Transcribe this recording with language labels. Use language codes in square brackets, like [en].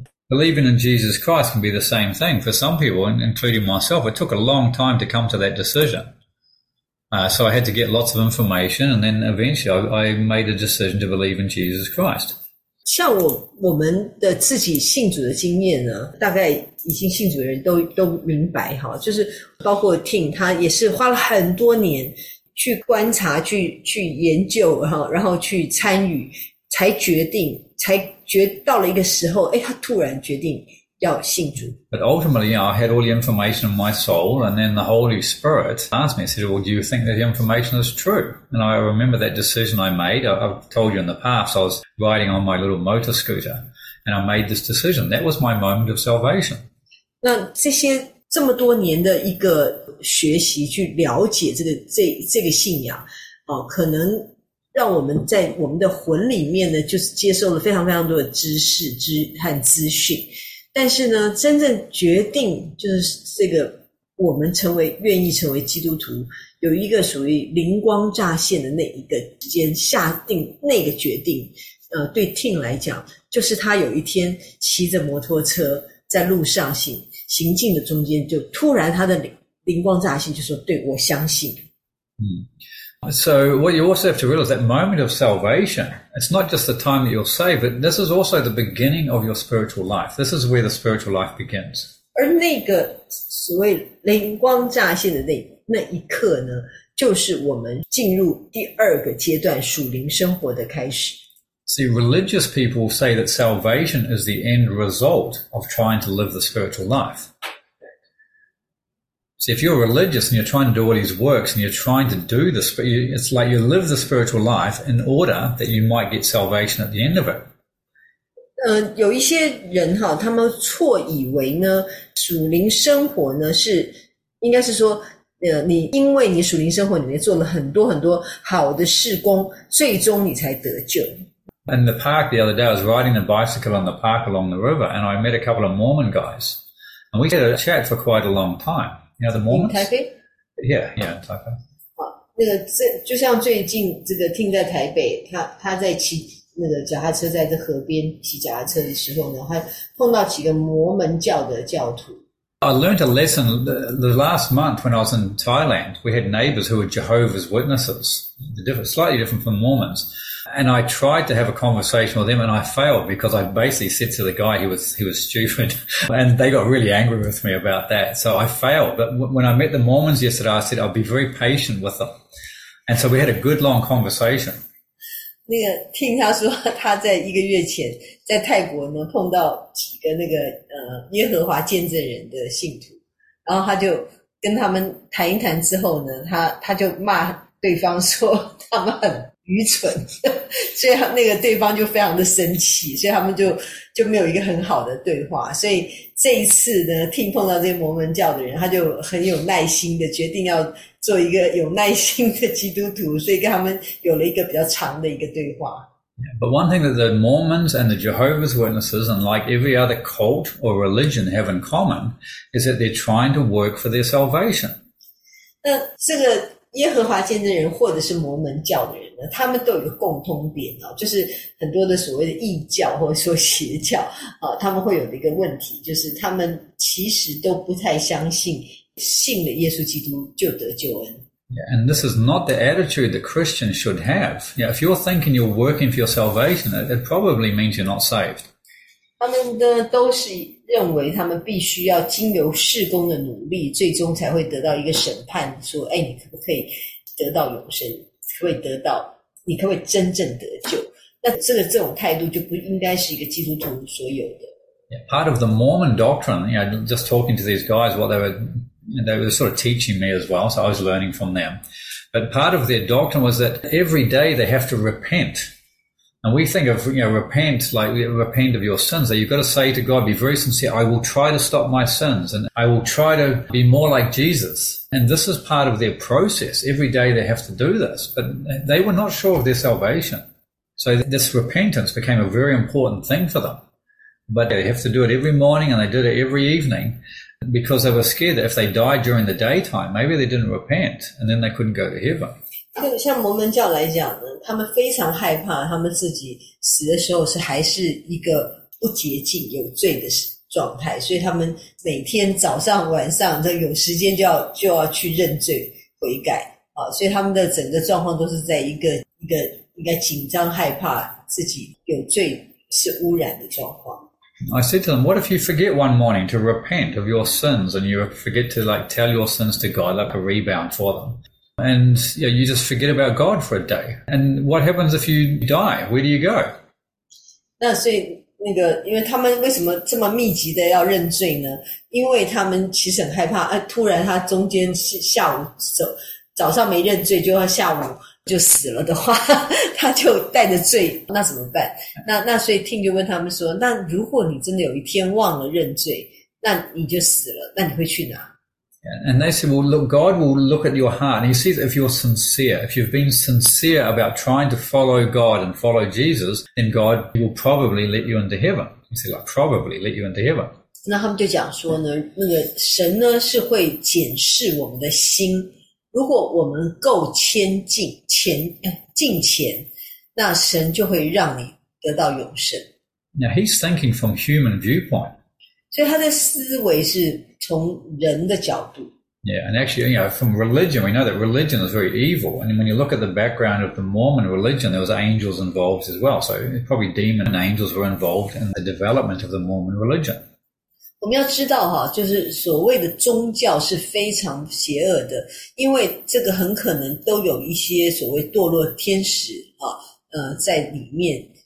[en] Believing in Jesus Christ can be the same thing for some people, including myself. It took a long time to come to that decision. So I had to get lots of information, and then eventually I made a decision to believe in Jesus Christ. [zh] 像我们的自己信主的经验呢，大概已经信主的人都明白哈，就是包括 Tim 他也是花了很多年去观察、去研究哈，然后去参与，才决到了一个时候，哎，他突然决定要信主。 [en] But ultimately, I had all the information in my soul, and then the Holy Spirit asked me, said, "Well, do you think that the information is true?" And I remember that decision I made. I've told you in the past, I was riding on my little motor scooter, and I made this decision. That was my moment of salvation. [zh] 那这些这么多年的一个学习，去了解这个信仰，可能让我们在我们的魂里面呢，就是接受了非常非常多的知识和资讯。但是呢，真正决定就是这个，我们成为愿意成为基督徒，有一个属于灵光乍现的那一个时间下定那个决定。对 Tim 来讲，就是他有一天骑着摩托车在路上行进的中间，就突然他的灵光乍现，就说：“对，我相信。” [en] So what you also have to realize, that moment of salvation, it's not just the time that you're saved, but this is also the beginning of your spiritual life. This is where the spiritual life begins. [zh] 而那个所谓灵光乍现的那一刻呢，就是我们进入第二个阶段属灵生活的开始。 [en] See, religious people say that salvation is the end result of trying to live the spiritual life. See, if you're religious and you're trying to do all these works and you're trying to do this, it's like you live the spiritual life in order that you might get salvation at the end of it. [zh] 有一些人哈，他们错以为呢，属灵生活呢是，应该是说，你因为你属灵生活里面做了很多很多好的事工，最终你才得救。 [en] In the park the other day, I was riding a bicycle in the park along the river, and I met a couple of Mormon guys. And we had a chat for quite a long time. You know the Mormons? In Taipei? Yeah, in Taipei. [zh] 就像最近这个听在台北，他在骑那个脚踏车在这河边骑脚踏车的时候呢，还碰到几个摩门教的教徒。 [en] I learned a lesson the last month when I was in Thailand. We had neighbors who were Jehovah's Witnesses, slightly different from Mormons. And I tried to have a conversation with them and I failed because I basically said to the guy he was stupid and they got really angry with me about that. So I failed. But when I met the Mormons yesterday, I said I'll be very patient with them. And so we had a good long conversation. [zh] 那个听他说他在一个月前在泰国呢碰到几个那个耶和华见证人的信徒，然后他就跟他们谈一谈之后呢，他就骂对方说他们很愚蠢，所以那个对方就非常的生气，所以他们就没有一个很好的对话。所以这一次呢，听碰到这些摩门教的人，他就很有耐心的决定要做一个有耐心的基督徒，所以跟他们有了一个比较长的一个对话。 [en] But one thing that the Mormons and the Jehovah's Witnesses and like every other cult or religion have in common is that they're trying to work for their salvation. [zh] 那这个耶和华见证人或者是摩门教的人呢，他们都有一个共通点哦，就是很多的所谓的异教或者说邪教啊，他们会有的一个问题，就是他们其实都不太相信信了耶稣基督就得救恩。 [en] Yeah, and this is not the attitude that Christians should have. Yeah, if you're thinking you're working for your salvation, it probably means you're not saved. [zh] 他们呢都是认为他们必须要经由事工的努力，最终才会得到一个审判，说，哎，你可不可以得到永生？可不可以得到？你可不可以真正得救？那这种态度就不应该是一个基督徒所有的。 [en] Yeah, part of the Mormon doctrine, you know, just talking to these guys, what they were sort of teaching me as well, so I was learning from them. But part of their doctrine was that every day they have to repent. And we think of, you know, repent, like repent of your sins. That you've got to say to God, be very sincere, I will try to stop my sins and I will try to be more like Jesus. And this is part of their process. Every day they have to do this. But they were not sure of their salvation. So this repentance became a very important thing for them. But they have to do it every morning and they did it every evening. Because they were scared that if they died during the daytime, maybe they didn't repent, and then they couldn't go to heaven. [zh] 对，像摩门教来讲呢，他们非常害怕他们自己死的时候是还是一个不洁净、有罪的状态，所以他们每天早上、晚上，这有时间就要去认罪悔改啊。所以他们的整个状况都是在一个紧张、害怕自己有罪是污染的状况。 [en] I said to them, what if you forget one morning to repent of your sins and you forget to like tell your sins to God, like a rebound for them? And you know, you just forget about God for a day. And what happens if you die? Where do you go? [zh] 那所以那个因为他们为什么这么密集的要认罪呢？因为他们其实很害怕，突然他中间下午走，早上没认罪就要下午就死了的话，他就带着罪，那怎么办？那所以听就问他们说，那如果你真的有一天忘了认罪，那你就死了，那你会去哪？ [en] And they said, well, look, God will look at your heart, and he sees if you're sincere, if you've been sincere about trying to follow God and follow Jesus, then God will probably let you into heaven. He said, like, probably let you into heaven. [zh] 那他们就讲说呢，那个神呢是会检视我们的心，如果我们够敬虔，那神就会让你得到永生。 [en] Now he's thinking from human viewpoint. [zh] 所以他的思维是从人的角度。 [en] Yeah, and actually, you know, from religion, we know that religion is very evil. And when you look at the background of the Mormon religion, there was angels involved as well. So probably demon and angels were involved in the development of the Mormon religion. [zh] 我们要知道哈，就是所谓的宗教是非常邪恶的，因为这个很可能都有一些所谓堕落天使啊，在里面